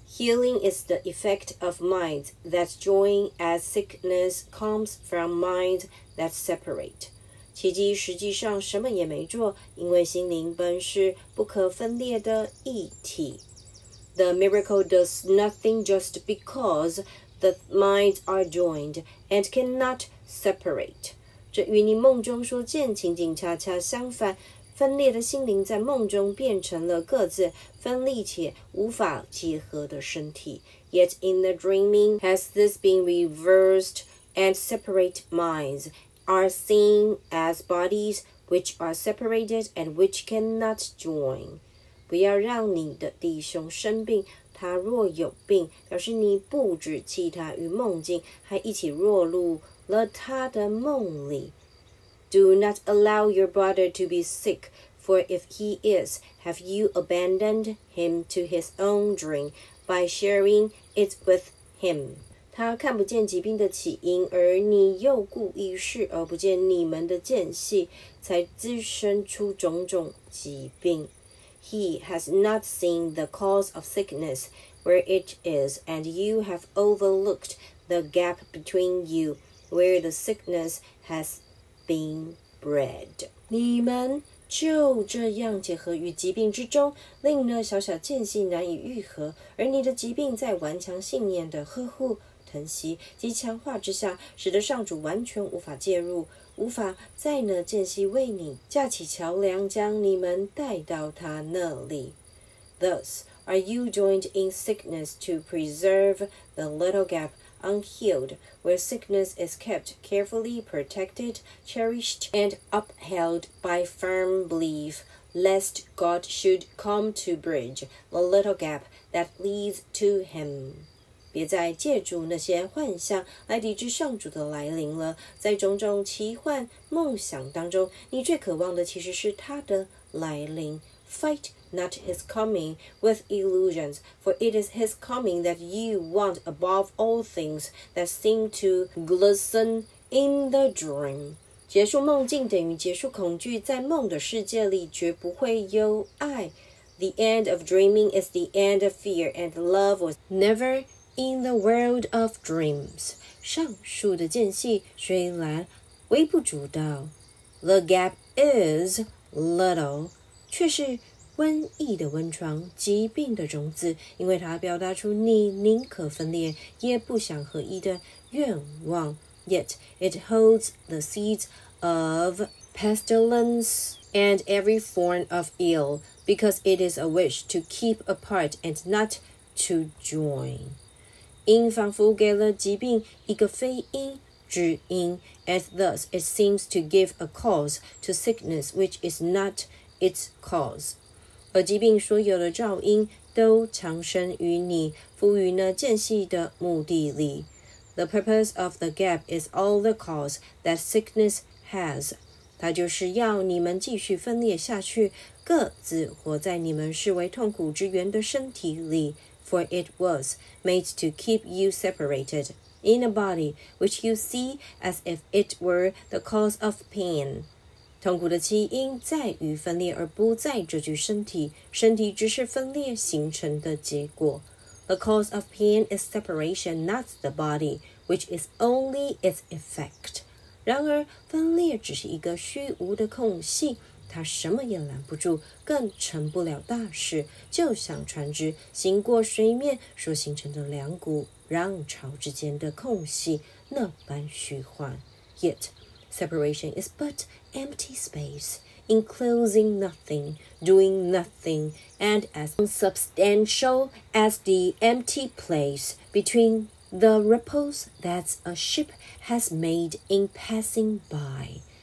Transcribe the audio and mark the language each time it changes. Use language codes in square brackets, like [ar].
[en] Healing is the effect of minds that join as sickness comes from minds that separate. [zh] 奇迹实际上什么也没做，因为心灵本是不可分裂的一体。 [en] The miracle does nothing just because the minds are joined and cannot separate. [zh] 这与你梦中所见情景恰恰相反，分裂的心灵在梦中变成了各自分立且无法结合的身体。 [en] Yet in the dreaming has this been reversed and separate minds are seen as bodies which are separated and which cannot join. [zh] 不要让你的弟兄生病，他若有病，表示你不只弃他于梦境，还一起落入了他的梦里。 [en] Do not allow your brother to be sick, for if he is, have you abandoned him to his own dream by sharing it with him? [zh] 他看不见疾病的起因，而你又故意视而不见你们的间隙，才滋生出种种疾病。 [en] He has not seen the cause of sickness where it is, and you have overlooked the gap between you where the sickness has been bred. [zh] 你们就这样结合于疾病之中，令那小小间隙难以愈合，而你的疾病在顽强信念的呵护疼惜及强化之下，使得上主完全无法介入，无法在那间隙为你架起桥梁，将你们带到他那里。 [en] Thus are you joined in sickness to preserve the little gap unhealed where sickness is kept carefully protected, cherished, and upheld by firm belief, lest God should come to bridge the little gap that leads to him. [zh] 别再借助那些幻象来抵制上主的来临了，在种种奇幻梦想当中，你最渴望的其实是他的来临。 [en] Fight not his coming with illusions, for it is his coming that you want above all things that seem to glisten in the dream. [zh] 结束梦境等于结束恐惧，在梦的世界里绝不会有爱。 [en] The end of dreaming is the end of fear, and love was never in the world of dreams. [zh] 上述的间隙虽然微不足道， [en] The gap is little, [zh] 却是瘟疫的温床，疾病的种子，因为它表达出你宁可分裂也不想合一的愿望。 [en] Yet it holds the seeds of pestilence and every form of ill, because it is a wish to keep apart and not to join. [zh] 因仿佛给了疾病一个非因之因， [en] and thus it seems to give a cause to sickness which is not its cause. [zh] 而疾病所有的噪音都藏身于你赋予那间隙的目的里。 [en] The purpose of the gap is all the cause that sickness has. [zh] 它就是要你们继续分裂下去，各自活在你们视为痛苦之源的身体里。 [en] For it was made to keep you separated in a body which you see as if it were the cause of pain. [zh] 痛苦的起因在于分裂，而不在这具身体。身体只是分裂形成的结果。 [en] The cause of pain is separation, not the body, which is only its effect. [zh] 然而，分裂只是一个虚无的空隙，它什么也拦不住，更成不了大事。就像船只行过水面所形成的两股浪潮之间的空隙那般虚幻。 [en] Yet. Separation is but empty space, enclosing nothing, doing nothing, and as unsubstantial as the empty place between the ripples that a ship has made in passing by.